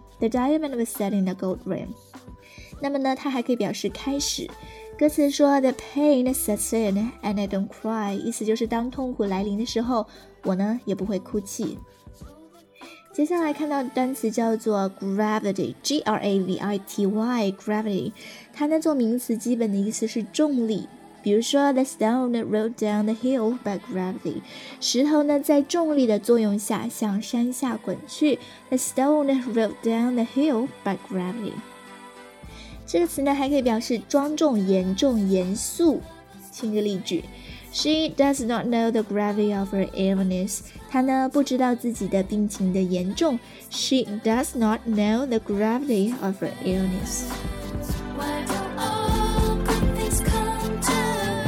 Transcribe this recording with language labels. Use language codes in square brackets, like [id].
[en] The diamond was set in a gold ring. [zh] 那么呢它还可以表示开始。歌词说 , [en] the pain sets in and I don't cry, [zh] 意思就是当痛苦来临的时候我呢也不会哭泣。接下来看到单词叫做 gravity, G-R-A-V-I-T-Y, gravity, 它呢做名词基本的意思是重力。比如说 [en] the stone rolled down the hill by gravity, [zh] 石头呢在重力的作用下向山下滚去 [en] the stone rolled down the hill by gravity. [zh] 这个词呢还可以表示庄重、严重、严肃。听个例句 [en] She does not know the gravity of her illness. [zh] 她呢不知道自己的病情的严重。 [en] She does not know the gravity of her illness. Why don't all good things come to an end?